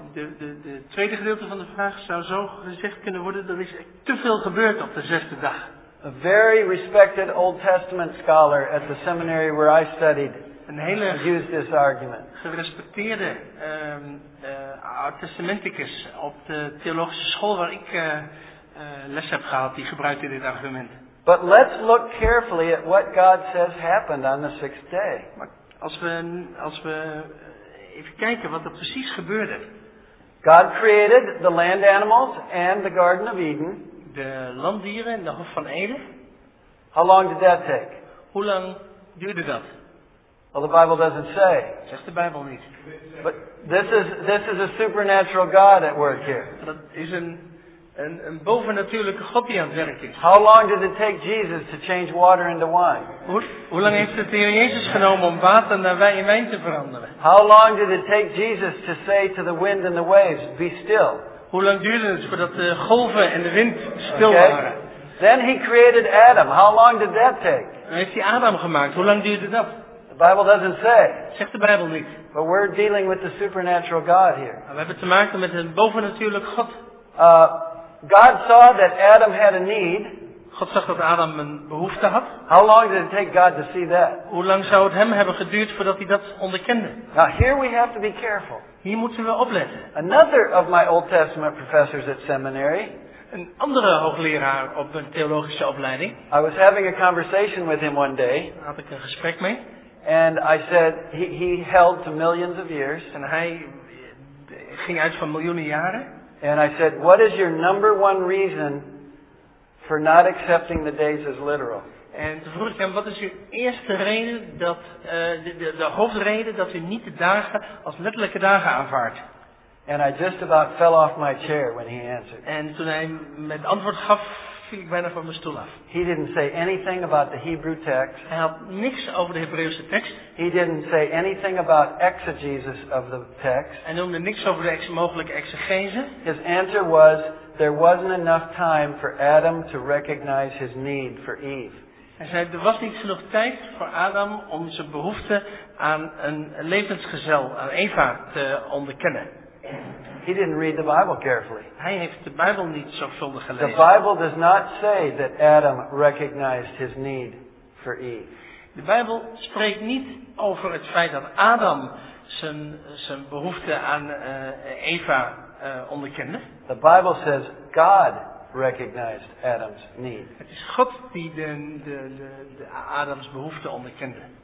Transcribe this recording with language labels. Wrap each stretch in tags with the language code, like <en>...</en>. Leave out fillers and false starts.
<nl>De tweede gedeelte van de vraag zou zo gezegd kunnen worden, er is te veel gebeurd op de zesde dag.</nl> <en>A very respected Old Testament scholar at the seminary where I studied used this argument.</en> <nl>Een hele gerespecteerde Oud Testamenticus op de theologische school waar ik les heb gehad, die gebruikte dit argument.</nl> <en>But let's look carefully at what God says happened on the sixth day.</en> <nl>Als we even kijken wat er precies gebeurde.</nl> <en>God created the land animals and the Garden of Eden.</en> <nl>De landdieren en de Hof van Eden.</nl> <en>How long did that take?</en> <nl>Hoe lang duurde dat?</nl> <en>Well, the Bible doesn't say.</en> <nl>Zegt de Bijbel niet.</nl> <en>But this is a supernatural God at work here.</en> <nl>Dat is een bovennatuurlijke God die aan het werk is.</nl> <en>How long did it take Jesus to change water into wine?</en> <nl>Hoe lang heeft het de Heer Jezus genomen om water naar wijn in wijn te veranderen?</nl> <en>How long did it take Jesus to say to the wind and the waves, be still?</en> <nl>Hoe lang duurde het voordat de golven en de wind stil waren?</nl> <en>Okay. Then he created Adam. How long did that take?</en> <nl>Dan heeft hij Adam gemaakt. Hoe lang duurde dat?</nl> <en>The Bible doesn't say.</en> <nl>Zegt de Bijbel niet.</nl> <en>But we're dealing with the supernatural God here.</en> <nl>We hebben te maken met een bovennatuurlijke God.</nl> <en>God saw that Adam had a need.</en> <nl>God zag dat Adam een behoefte had.</nl> <en>How long did it take God to see that?</en> <nl>Hoe lang zou het hem hebben geduurd voordat hij dat onderkende?</nl> <en>Now here we have to be careful.</en> <nl>Hier moeten we opletten.</nl> <en>Another of my Old Testament professors at seminary.</en> <nl>Een andere hoogleraar op een theologische opleiding.</nl> <en>I was having a conversation with him one day.</en> <nl>Had ik een gesprek mee.</nl> <en>And I said he held to millions of years.</en> <nl>En hij ging uit van miljoenen jaren.</nl> <en>And I said, what is your number one reason for not accepting the days as literal?</en> <nl>En toen vroeg ik hem, wat is uw eerste reden, dat de hoofdreden dat u niet de dagen als letterlijke dagen aanvaardt?</nl> <en>And I just about fell off my chair when he answered.</en> <nl>En toen hij met antwoord gaf, viel ik bijna van mijn stoel af.</nl> <en>He didn't say anything about the Hebrew text.</en> <nl>Hij had niks over de Hebreeuwse tekst.</nl> <en>He didn't say anything about exegesis of the text.</en> <nl>Hij noemde niks over de mogelijke exegese.</nl> <en>His answer was, there wasn't enough time for Adam to recognize his need for Eve.</en> <nl>Hij zei, er was niet genoeg tijd voor Adam om zijn behoefte aan een levensgezel, aan Eva, te onderkennen.</nl> <en>He didn't read the Bible carefully.</en> <nl>Hij heeft de Bijbel niet zorgvuldig gelezen.</nl> <en>The Bible does not say that Adam recognized his need for Eve.</en> <nl>De Bijbel spreekt niet over het feit dat Adam zijn behoefte aan Eva onderkende.</nl> <en>The Bible says God recognized Adam's need.</en> <nl>Het is God die de Adams behoefte onderkende.</nl>